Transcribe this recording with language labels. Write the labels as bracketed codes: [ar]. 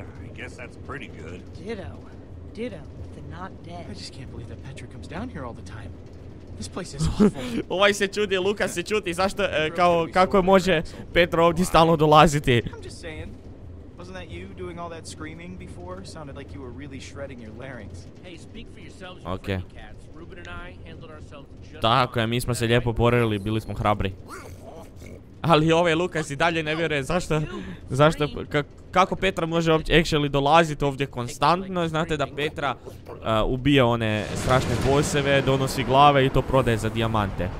[en] I guess that's pretty good. Ditto, but the not dead. I just can't believe that Petra comes down here all the time. This place is awful. [hr] Ovaj se čudi, Luka se čudi, zašto, kao, kako može Petra ovdje stalno dolaziti. [en] I'm just saying. Wasn't that you doing all that screaming before? Sounded like you were really shredding your larynx. Hey, speak for yourselves, you okay. Cats. Ruben and I handled ourselves just [hr] Tako je, mi smo se lijepo borili, bili smo hrabri. Ali ovaj Lukas i dalje ne vjeruje, zašto, kako Petra može uopće actually dolaziti ovdje konstantno, znate da Petra ubija one strašne boseve, donosi glave i to prodaje za dijamante.